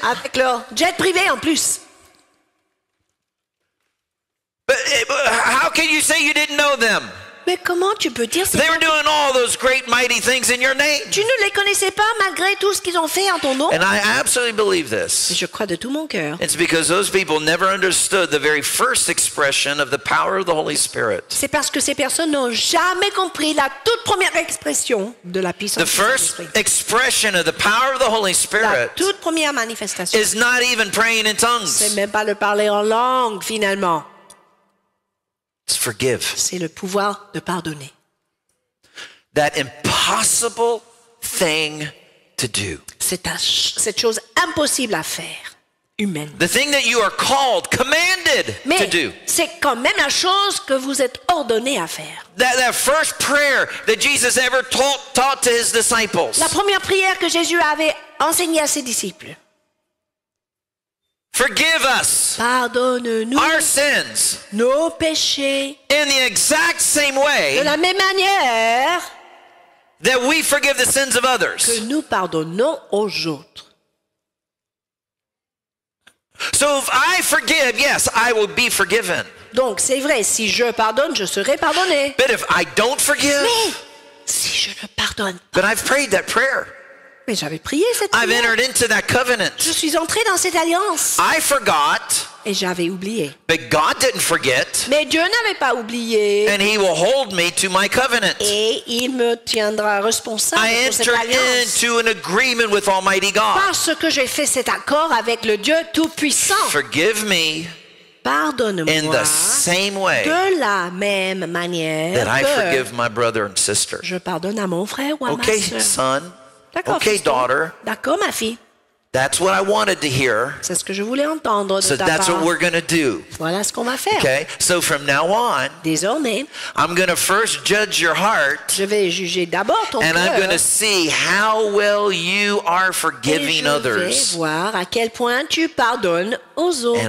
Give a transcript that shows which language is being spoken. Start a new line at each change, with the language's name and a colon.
French: Avec leur jet privé en plus.
English: How can you say you didn't know them?
French: Mais comment tu peux dire
English: they were doing all those great mighty things in your name.
French: Tu ne les connaissais pas malgré tout ce qu'ils ont fait en ton nom.
English: And I absolutely believe this.
French: Et je crois de tout mon cœur.
English: It's because those people never understood the very first expression of the power of the Holy Spirit.
French: C'est parce que ces personnes n'ont jamais compris la toute première expression de la puissance.
English: The first expression of the power of the Holy Spirit.
French: La toute première manifestation.
English: Is not even praying in tongues.
French: C'est même pas le parler en langue finalement.
English: It's forgive.
French: C'est le pouvoir de pardonner.
English: That impossible thing to do.
French: Cette chose impossible à faire, humaine.
English: The thing that you are called, commanded
French: mais
English: to do.
French: C'est quand même la chose que vous êtes ordonné à faire.
English: That first prayer that Jesus ever taught to his disciples.
French: La première prière que Jésus avait enseignée à ses disciples.
English: Forgive us.
French: Pardonne-nous
English: our sins.
French: Nos péchés.
English: In the exact same way.
French: De la même manière.
English: That we forgive the sins of others.
French: Que nous pardonnons aux autres.
English: So if I forgive, yes, I will be forgiven.
French: Donc c'est vrai, si je pardonne, je serai pardonné.
English: But if I don't forgive.
French: Mais si je ne pardonne pas.
English: But I've prayed that prayer.
French: Mais j'avais prié cette
English: I've
French: prière.
English: Entered into that covenant.
French: Je suis entré dans cette alliance.
English: I forgot.
French: Et j'avais oublié.
English: But God didn't forget.
French: Mais Dieu n'avait pas oublié.
English: And he will hold me to my covenant.
French: Et il me tiendra responsable
English: I
French: pour cette alliance.
English: I entered into an agreement with Almighty God.
French: Parce que j'ai fait cet accord avec le Dieu Tout-Puissant.
English: Forgive me.
French: Pardonne-moi.
English: In the same way.
French: De la même manière.
English: That I forgive my brother and sister.
French: Je pardonne à mon frère ou à
English: okay,
French: ma sœur.
English: Okay, son.
French: D'accord,
English: okay,
French: fiston.
English: Daughter.
French: D'accord, ma fille.
English: That's what I wanted to hear.
French: C'est ce que je voulais entendre de
English: so
French: ta part.
English: So that's what we're going to do.
French: Voilà ce qu'on va faire.
English: Okay. So from now on,
French: désormais,
English: I'm going to first judge your heart.
French: Je vais juger d'abord ton cœur.
English: And I'm going to see how well you are forgiving others.
French: Et je vais voir à quel point tu pardonnes aux autres.